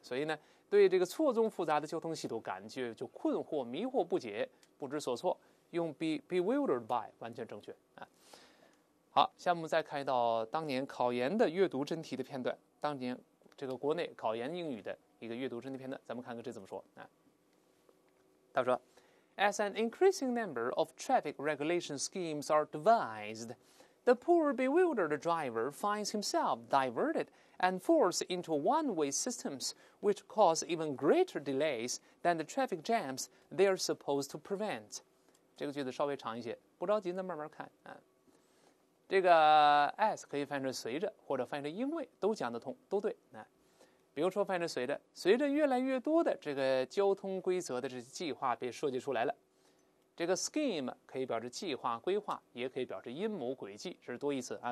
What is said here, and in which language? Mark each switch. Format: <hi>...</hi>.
<zh>所以呢，对这个错综复杂的交通系统感觉就困惑、迷惑不解、不知所措，用 be bewildered by 完全正确啊。好，下面我们再看一道当年考研的阅读真题的片段，当年这个国内考研英语的一个阅读真题片段，咱们看看这怎么说啊？他说</zh> <en>，As an increasing number of traffic regulation schemes are devised, the poor bewildered driver finds himself diverted and forced into one-way systems, which cause even greater delays than the traffic jams they are supposed to prevent.</en> <zh>这个句子稍微长一些，不着急，咱慢慢看啊。这个 as 可以翻译成随着，或者翻译成因为，都讲得通，都对。那比如说翻译成随着越来越多的这个交通规则的这些计划被设计出来了。这个 scheme 可以表示计划规划，也可以表示阴谋诡计，这是多义词啊。</zh>